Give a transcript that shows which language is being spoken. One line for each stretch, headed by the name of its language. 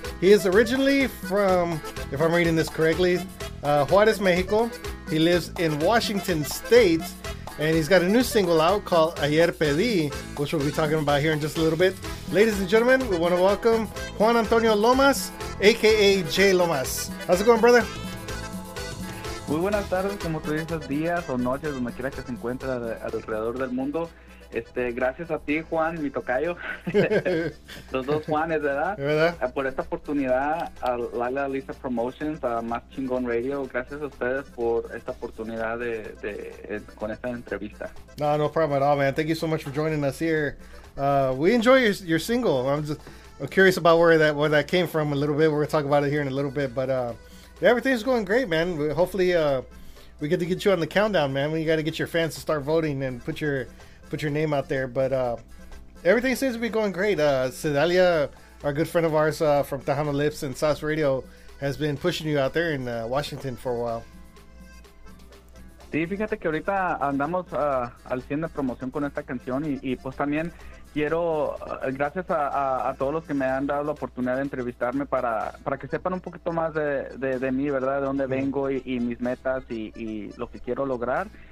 English: He is originally from, if I'm reading this correctly, Juarez, Mexico. He lives in Washington State. And he's got a new single out called Ayer Pedí, which we'll be talking about here in just a little bit. Ladies and gentlemen, we want to welcome Juan Antonio Lomas, a.k.a. J Lomas. How's it going, brother?
Spanish: Muy buenas tardes, como tú dices, días o noches, donde quiera que se encuentre alrededor del mundo. Gracias a ti, Juan, mi tocayo. Los dos Juanes, ¿verdad? Por esta oportunidad, a Laila Lisa Promotions, a Más Chingón Radio, gracias a ustedes por esta oportunidad con esta entrevista.
English: No problem at all, man. Thank you so much for joining us here. We enjoy your single. I'm curious about where that came from a little bit. We're going to talk about it here in a little bit. But everything's going great, man. Hopefully, we get to get you on the countdown, man. We got to get your fans to start voting and put your name out there, but everything seems to be going great. Sedalia, our good friend of ours from Tejano Lips and Sauce Radio, has been pushing you out there in Washington for a while.
Spanish: Sí, fíjate que ahorita andamos al 100 de promoción con esta canción y pues también quiero, gracias a todos los que me han dado la oportunidad de entrevistarme para que sepan un poquito más de mí, ¿verdad? De dónde vengo y mis metas y lo que quiero lograr.